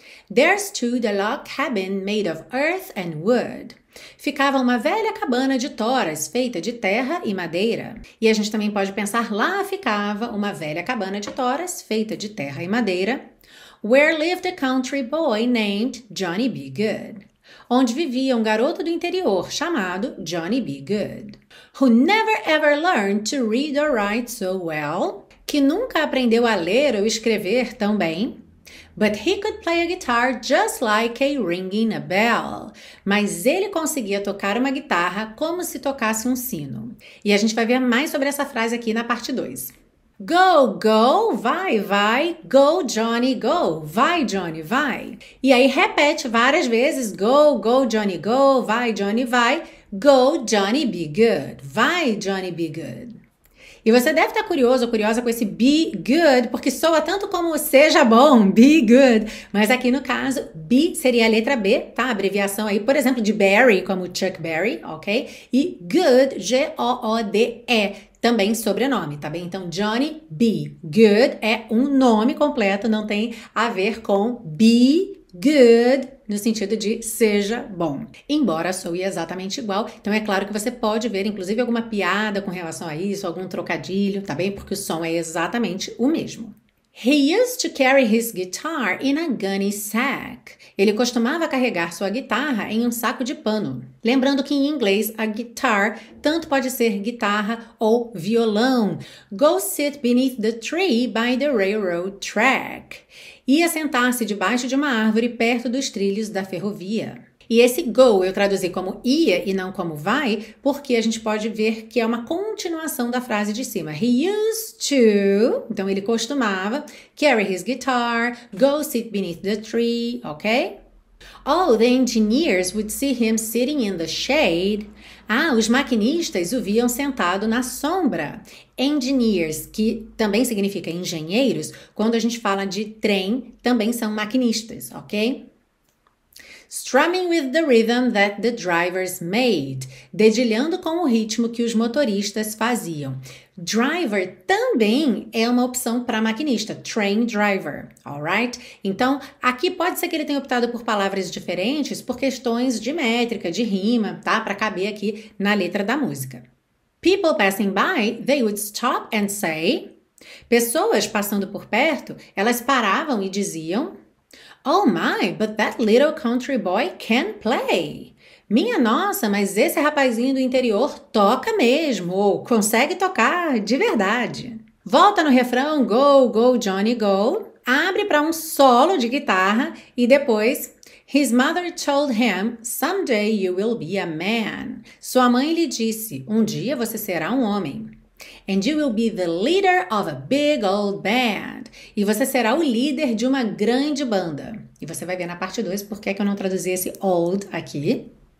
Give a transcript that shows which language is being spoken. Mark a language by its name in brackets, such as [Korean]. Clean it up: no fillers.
[English] There stood a log cabin made of earth and wood. [Portuguese] Ficava uma velha cabana de toras feita de terra e madeira. E a gente também pode pensar: lá ficava uma velha cabana de toras feita de terra e madeira. [English] Where lived a country boy named Johnny B. Goode. [Portuguese] Onde vivia um garoto do interior chamado Johnny B. Goode. [English] Who never ever learned to read or write so well. [Portuguese] Que nunca aprendeu a ler ou escrever tão bem. [English] But he could play a guitar just like a ringing a bell. [Portuguese] Mas ele conseguia tocar uma guitarra como se tocasse um sino. E a gente vai ver mais sobre essa frase aqui na parte 2. [English] Go, go, [Portuguese] vai, vai. [English] Go, Johnny, go. [Portuguese] Vai, Johnny, vai. E aí repete várias vezes: [English] go, go, Johnny, go. [Portuguese] Vai, Johnny, vai. [English] Go, Johnny, be good. [Portuguese] Vai, Johnny, be good. E você deve estar curioso ou curiosa com esse be good, porque soa tanto como seja bom, be good. Mas aqui no caso, be seria a letra B, tá? Abreviação aí, por exemplo, de Berry, como Chuck Berry, ok? E good, Good, também sobrenome, tá bem? Então, Johnny B. Good é um nome completo, não tem a ver com be good, no sentido de seja bom. Embora soe exatamente igual, então é claro que você pode ver, inclusive, alguma piada com relação a isso, algum trocadilho, tá bem? Porque o som é exatamente o mesmo. [English] He used to carry his guitar in a gunny sack. [Portuguese] Ele costumava carregar sua guitarra em um saco de pano. Lembrando que em inglês, a guitar tanto pode ser guitarra ou violão. [English] Go sit beneath the tree by the railroad track. [Portuguese] Ia sentar-se debaixo de uma árvore perto dos trilhos da ferrovia. E esse go eu traduzi como ia e não como vai, porque a gente pode ver que é uma continuação da frase de cima. [English] He used to, [Portuguese] então ele costumava, [English] carry his guitar, go sit beneath the tree, [Portuguese] ok? [English] Oh, the engineers would see him sitting in the shade. [Portuguese] Ah, os maquinistas o viam sentado na sombra. Engineers, que também significa engenheiros, quando a gente fala de trem, também são maquinistas, ok? [English] Strumming with the rhythm that the drivers made. [Portuguese] Dedilhando com o ritmo que os motoristas faziam. Driver também é uma opção para maquinista. [English] Train driver, alright? [Portuguese] Então, aqui pode ser que ele tenha optado por palavras diferentes por questões de métrica, de rima, tá? Para caber aqui na letra da música. [English] People passing by, they would stop and say. [Portuguese] Pessoas passando por perto, elas paravam e diziam. [English] Oh my, but that little country boy can play. [Portuguese] Minha nossa, mas esse rapazinho do interior toca mesmo, ou consegue tocar de verdade. Volta no refrão, [English] go, go, Johnny, go. [Portuguese] Abre para um solo de guitarra e depois, [English] his mother told him, someday you will be a man. [Portuguese] Sua mãe lhe disse, um dia você será um homem. [English] And you will be the leader of a big old band. [Portuguese] E você será o líder de uma grande banda. E você vai ver na parte 2 porque é que eu não traduzi esse old aqui.